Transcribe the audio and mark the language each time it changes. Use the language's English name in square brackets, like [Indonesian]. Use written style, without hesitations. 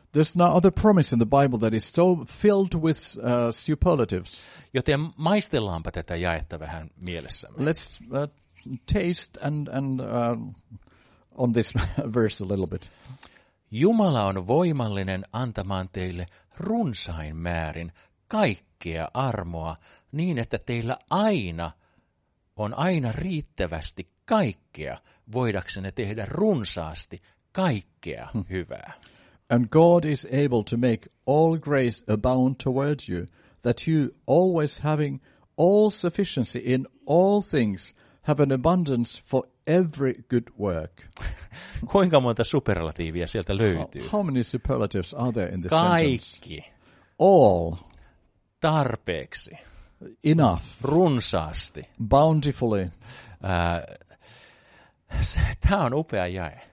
[English] There's no other promise in the Bible that is so filled with superlatives. [Finnish] Joten maistellaanpa tätä jaetta vähän mielessämme. [English] Let's taste and on this verse a little bit. [Finnish] Jumala on voimallinen antamaan teille runsain määrin kaikkea armoa niin, että teillä aina on aina riittävästi kaikkea, voidaksenne tehdä runsaasti kaikkea hyvää. [English] And God is able to make all grace abound toward you, that you, always having all sufficiency in all things, have an abundance for every good work. [Finnish] Kuinka monta superlatiivia sieltä löytyy? [English] How many superlatives are there in this [Finnish] kaikki [English] sentence? All. [Finnish] Tarpeeksi. [English] Enough. [Finnish] Runsaasti. [English] Bountifully. [Finnish] Tämä on upea jae.